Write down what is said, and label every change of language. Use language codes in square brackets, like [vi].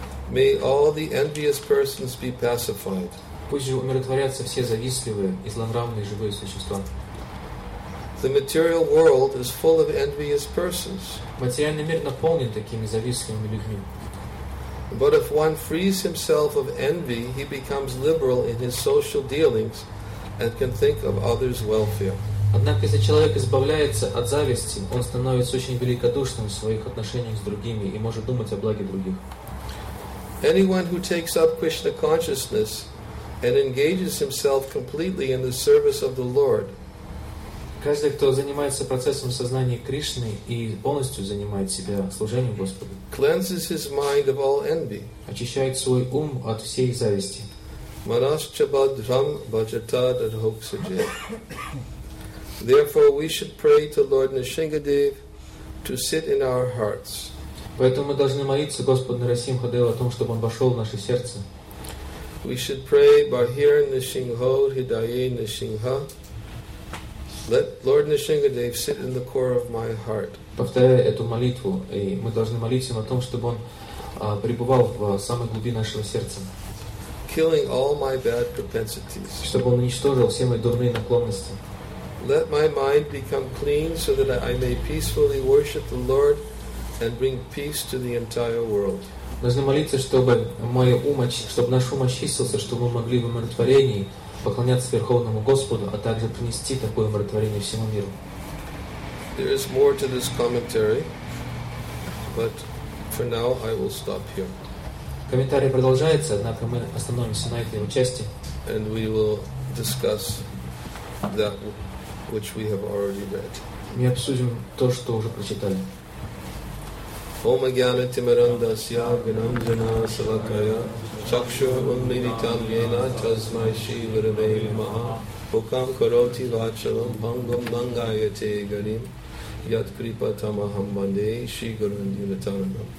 [en] May all the envious persons be pacified. [ru] Пусть же умиротворятся все завистливые и злонравные живые существа. [en] The material world is full of envious persons. [ru] Материальный мир наполнен такими завистливыми людьми. [en] But if one frees himself of envy, he becomes liberal in his social dealings and can think of others' welfare. [ru] Однако, если человек избавляется от зависти, он становится очень великодушным в своих отношениях с другими и может думать о благе других. [en] Anyone who takes up Krishna consciousness and engages himself completely in the service of the Lord. [ru] Каждый, кто занимается процессом сознания Кришны и полностью занимает себя служением Господу, [en] cleanses his mind of all envy. [ru] Очищает свой ум от всей зависти. [sa] Manaschabadram bhajata dadhoksaje. [en] Therefore, we should pray to Lord Nrisimhadev to sit in our hearts. [ru] Поэтому мы должны молиться Господу Нарасимхадеву о том, чтобы Он вошел в наше сердце. [en] We should pray [sa] Bahir Nrisimho Hidaye Nrisimha. [en] Let Lord Nrisimhadev sit in the core of my heart. [ru] Повторяя эту молитву, и мы должны молиться о том, чтобы Он пребывал в самой глубине нашего сердца. [en] Killing all my bad propensities. [ru] Чтобы Он уничтожил все мои дурные наклонности. [en] Let my mind become clean so that I may peacefully worship the Lord and bring peace to the entire world. [ru] Должны молиться, чтобы наш ум очистился, чтобы мы могли в умиротворении поклоняться Верховному Господу, а также принести такое умиротворение всему миру. [en] There is more to this commentary, but for now I will stop here. [ru] Комментарий продолжается, однако мы остановимся на этой части. [en] And we will discuss that which we have already read. [ru] Мы обсудим то, что уже прочитали. [sa] Ом агьяна тимарандасья гнанджана салакая чакшу уннитам йена тасмай ши гурве намаха хукам кароти вачалам бангам бангаяте гарим ят крипа тамахам банде ши гурун дивитанам